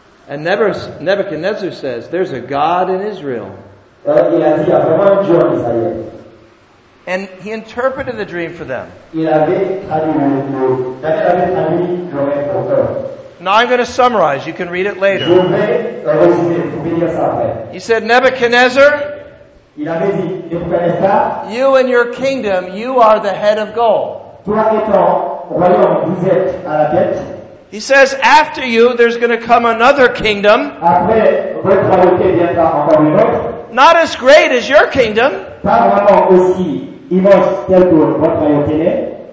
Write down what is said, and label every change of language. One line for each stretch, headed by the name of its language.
English: And Nebuchadnezzar says, there's a God in Israel.
French: Il a dit, il y a vraiment un Dieu en Israël.
English: And he interpreted the dream for them.
French: Il avait traduit le rêve pour eux.
English: Now I'm going to summarize. You can read it later.
French: Je vais résumer, vous pouvez lire ça après.
English: He said, Nebuchadnezzar,
French: il avait dit, ne vous connaissez pas?
English: You and your kingdom, you are the head of gold.
French: Toi et ton royaume, vous êtes à la tête.
English: He says, after you, there's going to come another kingdom.
French: Après, votre royauté viendra encore une autre.
English: Not as great as your kingdom.
French: Pas vraiment aussi immense tel que votre royauté est.